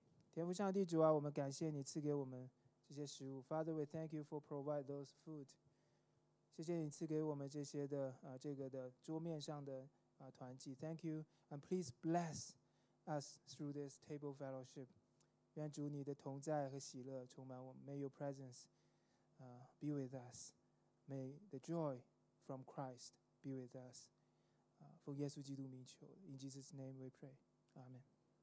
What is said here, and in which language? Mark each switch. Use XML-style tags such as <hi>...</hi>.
<zh>天父上帝主啊，我们感谢你赐给我们这些食物。</zh> <en>Father, we thank you for provide those food.</en> <zh>谢谢你赐给我们这些的这个的桌面上的团契。</zh> <en>Thank you and please bless us through this table fellowship.</en> <zh>愿主你的同在和喜乐充满我们。</zh> <en>May your presence be with us. May the joy from Christ be with us.</en> <zh>奉耶稣基督名求。</zh> <en>In Jesus' name we pray. Amen.</en>